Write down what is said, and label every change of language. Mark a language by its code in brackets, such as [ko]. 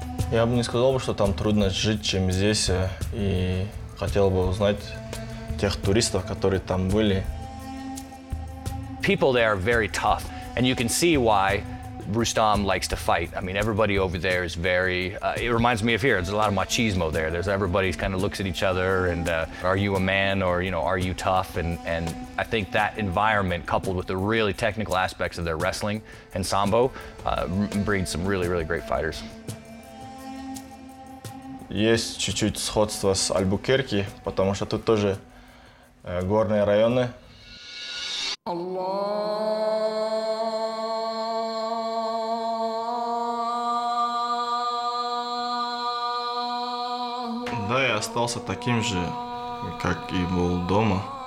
[ru] Я бы не сказал, что там трудно жить, чем здесь, и хотел бы узнать тех туристов, которые там были. [en] People there are very tough, and you can see why Rustam likes to fight. I mean, everybody over there is very, it reminds me of here, there's a lot of machismo there. There's everybody kind of looks at each other and are you a man or, you know, are you tough? And I think that environment coupled with the really technical aspects of their wrestling and sambo breeds some really, really great fighters. [ru] Есть чуть-чуть сходство с Альбукерки, потому что тут тоже горные районы. Да, я остался таким же, как и был дома.